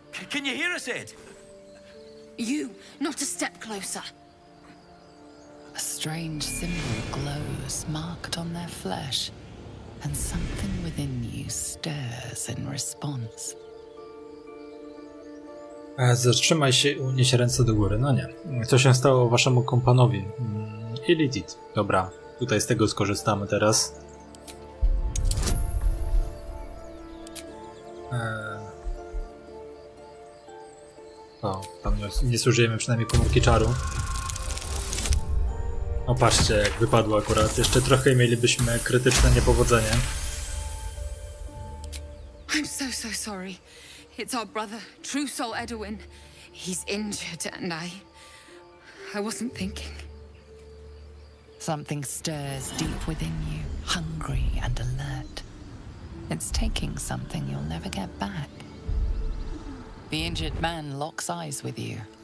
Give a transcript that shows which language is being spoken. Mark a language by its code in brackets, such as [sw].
[en] Can you hear us, Ed? You, not a step closer. A strange symbol glows marked on their flesh, and something within you stirs in response. [pl] Zatrzymaj się i unieś ręce do góry. No nie. Co się stało waszemu kompanowi? Illidith. Dobra, tutaj z tego skorzystamy teraz. O, tam nie zużyjemy przynajmniej komórki czaru. O, patrzcie, jak wypadło akurat. Jeszcze trochę mielibyśmy krytyczne niepowodzenie. [en] I'm so, so sorry. It's our brother, True Soul Edwin. He's injured and I wasn't thinking. Something stirs deep within you, hungry and alert. It's taking something you'll never get back. The injured man locks eyes with you.